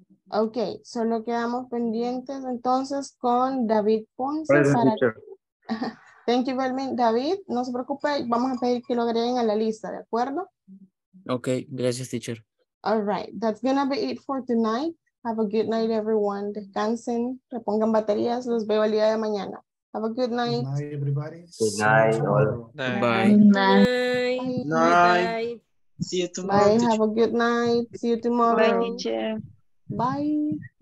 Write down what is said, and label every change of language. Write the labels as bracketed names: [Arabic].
[Spanish] Ok, solo quedamos pendientes entonces con David Ponce. [English] Present, para... teacher. Thank you, Belmin. [Spanish] David, no se preocupe, vamos a pedir que lo agreguen a la lista, ¿de acuerdo? Ok, gracias, teacher. [English] All right, that's gonna be it for tonight. Have a good night, everyone. [Spanish] Descansen, repongan baterías, los veo el día de mañana. [English] Have a good night. Good night, everybody. Good night. Bye. Bye. Bye. Night. Bye. Night. See you tomorrow. Bye, teacher. Have a good night. See you tomorrow. Bye, teacher. Bye.